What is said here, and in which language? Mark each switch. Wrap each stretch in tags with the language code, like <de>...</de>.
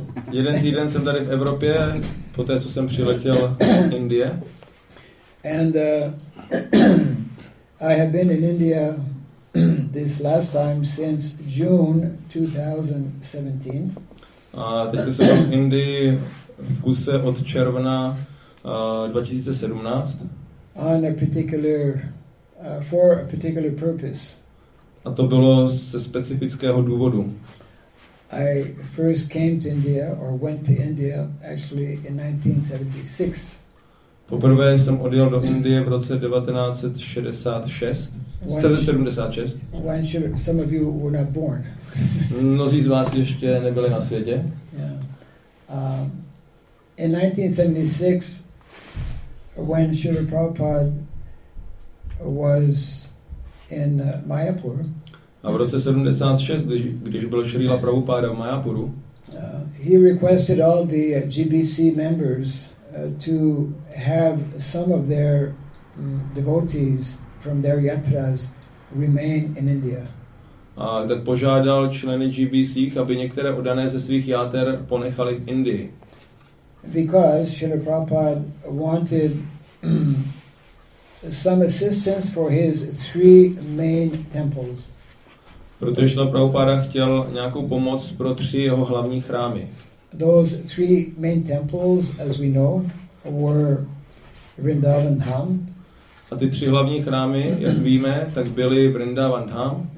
<cs>Jeden týden jsem tady v Evropě, poté co jsem přiletěl z Indie.</cs> <en>And I have been in India this last time since June 2017.</en> <cs>A teď jsem v Indii v kuse od června 2017.</cs> <en>On a particular for a particular purpose.</en> <cs>A to bylo ze specifického důvodu.</cs> <en>I first came to India or went to India actually in 1976.</en> <cs>Poprvé jsem odjel do Indie v roce 1976.</cs> <en>Some of you were not born.</en> <cs>Mnozí z vás ještě nebyli na světě.</cs> <en>Yeah. In 1976 when Srila Prabhupada was in Mayapur.</en> <cs>A v roce 76, když byl Srila Prabhupada v Mayapuru,</cs> <en>he requested all the GBC members to have some of their devotees from their yatras remain in India.</en> <cs>A tak požádal členy GBC, aby některé oddané ze svých játer ponechali v Indii.</cs> <en>Because Srila Prabhupada wanted some assistance for his three main temples.</en> <cs>Protože Srila Prabhupada chtěl nějakou pomoc pro tři jeho hlavní chrámy.</cs> <en>Those three main temples, as we know, were Vrindavan Dham.</en> <cs>A ty tři hlavní chrámy, jak víme, tak byly Vrindavan Dham.</cs>